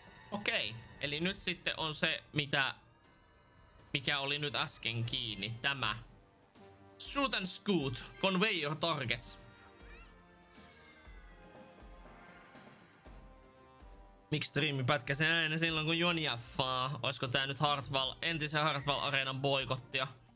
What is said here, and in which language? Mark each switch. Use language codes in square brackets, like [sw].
[fi] Okei, eli nyt sitten on se, mikä oli nyt äsken kiinni, tämä. [en] Shoot and scoot, convey your targets. [fi] Miksi striimi pätkäsi aina silloin kun juon jäffaa? Oisko tää nyt entisen Hartwall Areenan boikottia?